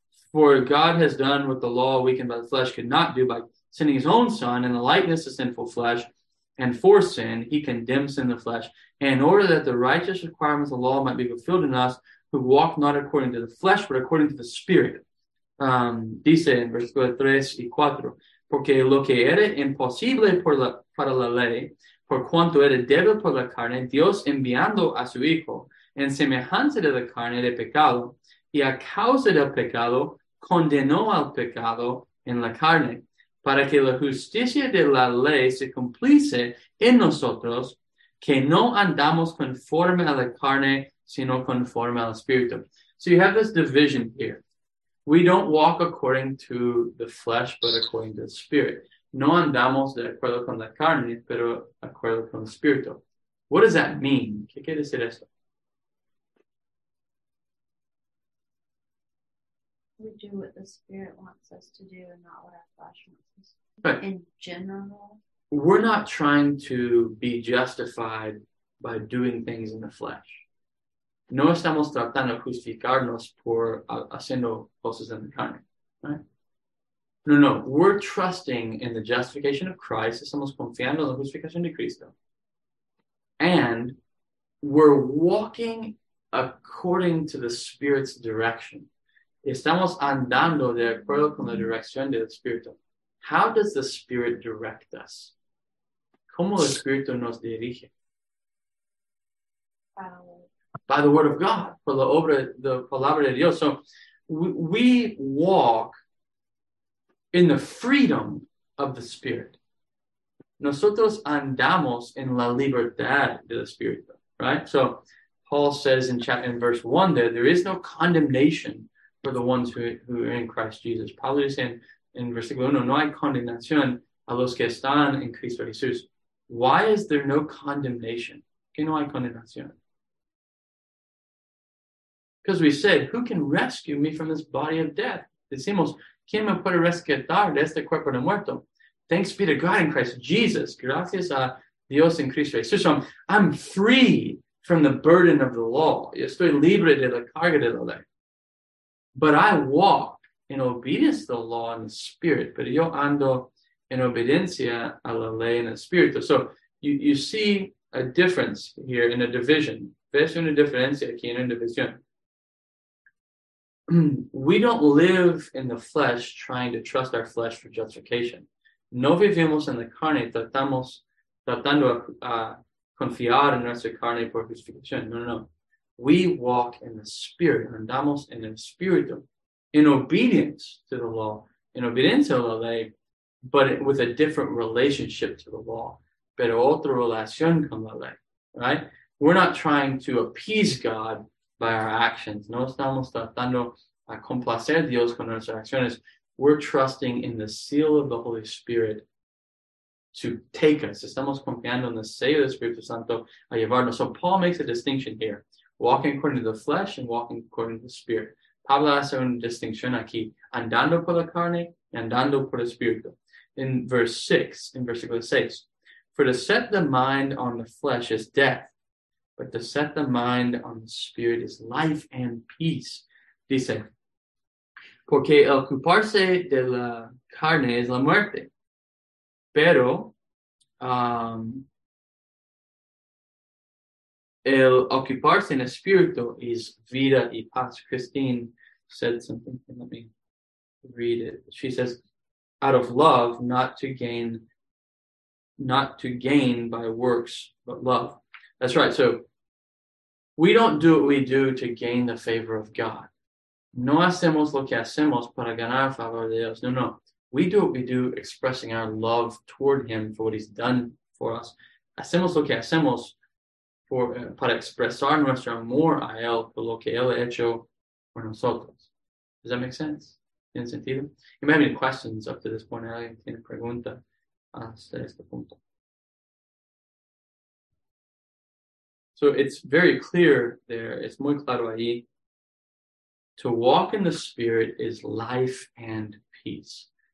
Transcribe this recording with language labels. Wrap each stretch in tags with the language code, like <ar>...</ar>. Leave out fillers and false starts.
<en>For God has done what the law weakened by the flesh could not do by sending his own son in the likeness of sinful flesh, and for sin, he condemns sin the flesh, and in order that the righteous requirements of the law might be fulfilled in us, who walk not according to the flesh, but according to the Spirit.</en> <es>Dice en versículo 3 y 4, porque lo que era imposible para la ley, por cuanto era débil por la carne, Dios enviando a su Hijo, en semejanza de la carne de pecado, y a causa del pecado, condenó al pecado en la carne, para que la justicia de la ley se cumpliese en nosotros, que no andamos conforme a la carne, sino conforme al Espíritu.</es> <en>So you have this division here. We don't walk according to the flesh, but according to the Spirit.</en> <es>No andamos de acuerdo con la carne, pero acuerdo con el Espíritu.</es> <en>What does that mean?</en> <es>¿Qué quiere decir esto?</es> <en>We do what the Spirit wants us to do and not what our flesh wants us to do. In general, we're not trying to be justified by doing things in the flesh.</en> <es>No estamos tratando de justificarnos por haciendo cosas en la carne.</es> <en>Right? No, no. We're trusting in the justification of Christ.</en> <es>Estamos confiando en la justificación de Cristo.</es> <en>And we're walking according to the Spirit's direction.</en> <es>Estamos andando de acuerdo con la dirección del Espíritu.</es> <en>How does the Spirit direct us?</en> <es>¿Cómo el Espíritu nos dirige?</es> <en>By the word of God,</en> <es>por la obra, la palabra de Dios.</es> <en>So we walk in the freedom of the Spirit.</en> <es>Nosotros andamos en la libertad del Espíritu,</es> <en>right? So Paul says in verse 1 there is no condemnation for the ones who are in Christ Jesus.</en> <es>Pablo dice en versículo 1, no hay condenación a los que están en Cristo Jesús.</es> <en>Why is there no condemnation?</en> <es>¿Qué no hay condenación?</es> <en>Because we said, who can rescue me from this body of death?</en> <es>Decimos, ¿quién me puede rescatar de este cuerpo de muerto?</es> <en>Thanks be to God in Christ Jesus.</en> <es>Gracias a Dios en Cristo Jesús.</es> <en>So I'm free from the burden of the law.</en> <es>Estoy libre de la carga de la ley.</es> <en>But I walk in obedience to the law and the Spirit.</en> <es>Pero yo ando en obediencia a la ley en el Espíritu.</es> <en>So you see a difference here in a division.</en> <es>¿Ves una diferencia aquí en una división?</es> <en>We don't live in the flesh trying to trust our flesh for justification.</en> <es>No vivimos en la carne tratando a confiar en nuestra carne por justificación.</es> <en>No, no, no. We walk in the Spirit,</en> <es>andamos en el Espíritu,</es> <en>in obedience to the law, in</en> <es>obediencia a la ley,</es> <en>but with a different relationship to the law,</en> <es>pero otra relación con la ley,</es> <en>right? We're not trying to appease God by our actions.</en> <es>No estamos tratando a complacer a Dios con nuestras acciones.</es> <en>We're trusting in the seal of the Holy Spirit to take us.</en> <es>Estamos confiando en el sello del Espíritu Santo a llevarnos.</es> <en>So Paul makes a distinction here. Walking according to the flesh and walking according to the Spirit.</en> <es>Pablo hace una distinción aquí. Andando por la carne y andando por el Espíritu.</es> <en>In verse 6,</en> <es>in versículo 6.</es> <en>For to set the mind on the flesh is death. But to set the mind on the Spirit is life and peace.</en> <es>Dice, porque el ocuparse de la carne es la muerte. Pero, el ocuparse en espíritu</es> <en>is</en> <es>vida y paz.</es> <en>Christine said something. Let me read it. She says, out of love, not to gain by works, but love. That's right. So we don't do what we do to gain the favor of God.</en> <es>No hacemos lo que hacemos para ganar el favor de Dios. No, no.</es> <en>We do what we do expressing our love toward him for what he's done for us.</en> <es>Hacemos lo que hacemos para expresar nuestro amor a él por lo que él ha hecho por nosotros.</es> <en>Does that make sense?</en> <es>¿Tiene sentido?</es> <en>You may have any questions up to this point.</en> <es>¿Alguien tiene pregunta hasta este punto?</es> <en>So it's very clear there. It's</en> <es>muy claro ahí.</es> <en>To walk in the Spirit is life and peace.</en>